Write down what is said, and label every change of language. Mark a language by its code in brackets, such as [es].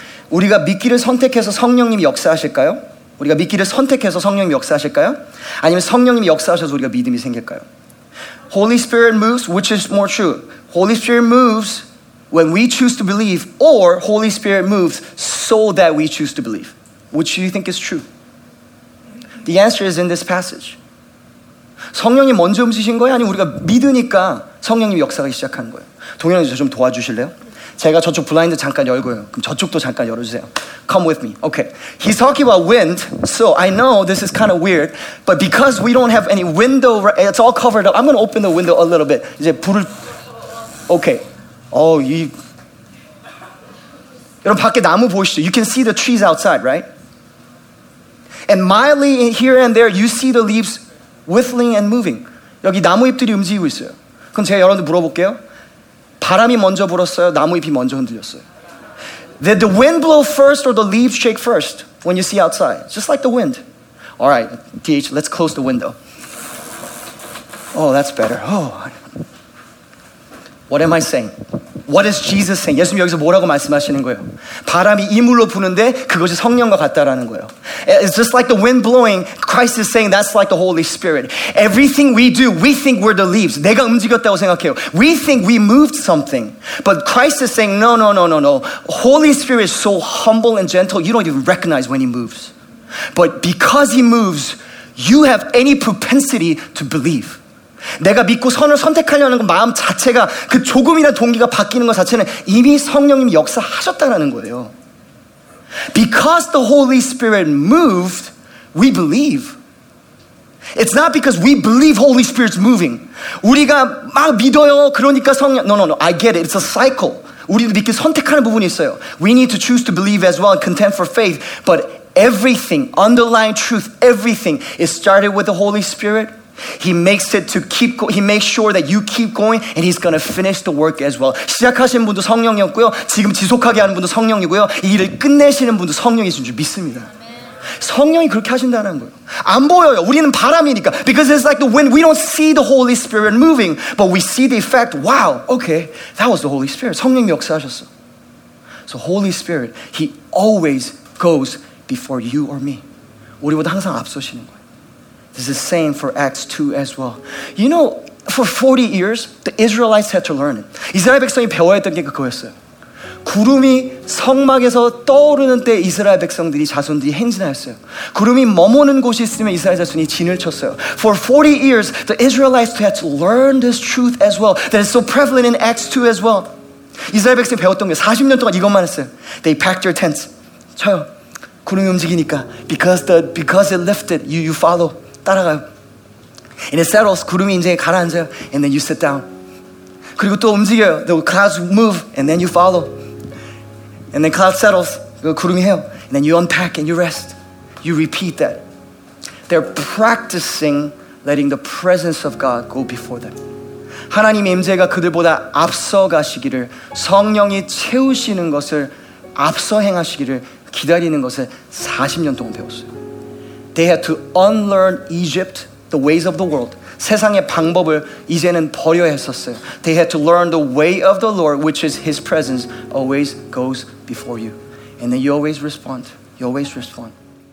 [ko] 우리가 믿기를 선택해서 성령님이 역사하실까요? 우리가 믿기를 선택해서 성령님이 역사하실까요? 아니면 성령님이 역사하셔서 우리가 믿음이 생길까요? [en] Holy Spirit moves, which is more true? Holy Spirit moves when we choose to believe, or Holy Spirit moves so that we choose to believe. Which do you think is true? The answer is in this passage. [ko] 성령이 먼저 움직이신 거예요? 아니, 우리가 믿으니까 성령님 역사가 시작한 거예요. 동현이 저 좀 도와주실래요? 제가 저쪽 블라인드 잠깐 열고요. 그럼 저쪽도 잠깐 열어주세요. [en] Come with me. Okay. He's talking about wind. So I know this is kind of weird. But because we don't have any window, it's all covered up. I'm going to open the window a little bit. [ko] 이제 불을... [en] Okay. Oh, you... [ko] 여러분 밖에 나무 보이시죠? [en] You can see the trees outside, right? And mildly here and there, you see the leaves whistling and moving. [ko] 여기 나뭇잎들이 움직이고 있어요. 그럼 제가 여러분들 물어볼게요. 바람이 먼저 불었어요? 나뭇잎이 먼저 흔들렸어요? [en] Did the wind blow first or the leaves shake first when you see outside? Just like the wind. All right, DH, let's close the window. Oh, that's better. Oh. What am I saying? What is Jesus saying? [ko] 예수님 여기서 뭐라고 말씀하시는 거예요? 바람이 이물로 부는데 그것이 성령과 같다라는 거예요. [en] It's just like the wind blowing. Christ is saying that's like the Holy Spirit. Everything we do, we think we're the leaves. [ko] 내가 움직였다고 생각해요. [en] We think we moved something. But Christ is saying, no, no, no, no, no. Holy Spirit is so humble and gentle, you don't even recognize when he moves. But because he moves, you have any propensity to believe. [ko] 내가 믿고 선을 선택하려는 마음 자체가 그 조금이나 동기가 바뀌는 것 자체는 이미 성령님이 역사하셨다라는 거예요. [en] Because the Holy Spirit moved, we believe. It's not because we believe Holy Spirit's moving. [ko] 우리가 막 믿어요. 그러니까 성령. [en] No, no, no. I get it. It's a cycle. [ko] 우리도 믿기 선택하는 부분이 있어요. [en] We need to choose to believe as well and contend for faith. But everything, underlying truth, everything is started with the Holy Spirit. He makes it to keep going. He makes sure that you keep going and he's going to finish the work as well. [ko] 시작하신 분도 성령이었고요. 지금 지속하게 하는 분도 성령이고요. 이 일을 끝내시는 분도 성령이신 줄 믿습니다. 성령이 그렇게 하신다는 거예요. 안 보여요. 우리는 바람이니까. [en] Because it's like the wind. We don't see the Holy Spirit moving, but we see the effect. Wow. Okay. That was the Holy Spirit. [ko] 성령이 역사하셨어. [en] So Holy Spirit, he always goes before you or me. [ko] 우리보다 항상 앞서시는 거예요. [en] This is the same for Acts 2 as well. You know, for 40 years, the Israelites had to learn it. [ko] 이스라엘 백성이 배워야 했던 게 그거였어요. 구름이 성막에서 떠오르는 때 이스라엘 백성들이 자손들이 행진하였어요. 구름이 머무는 곳이 있으면 이스라엘 자손이 진을 쳤어요. [en] For 40 years, the Israelites had to learn this truth as well that is so prevalent in Acts 2 as well. [ko] 이스라엘 백성이 배웠던 게 40년 동안 이것만 했어요. [en] They packed their tents. [ko] 쳐요. 구름이 움직이니까. [en] Because it lifted, you follow. [ko] 따라가요. [en] And it settles. [ko] 구름이 이제 가라앉아요. [en] And then you sit down. [ko] 그리고 또 움직여요. [en] The clouds move. And then you follow. And then clouds settles. [ko] 구름이 해요. [en] And then you unpack and you rest. You repeat that. They're practicing letting the presence of God go before them. [ko] 하나님의 임재가 그들보다 앞서 가시기를 성령이 채우시는 것을 앞서 행하시기를 기다리는 것을 40년 동안 배웠어요. [en] They had to unlearn Egypt, the ways of the world. [ko] 세상의 방법을 이제는 버려야 했었어요. [en] They had to learn the way of the Lord, which is his presence, always goes before you. And then you always respond. You always respond.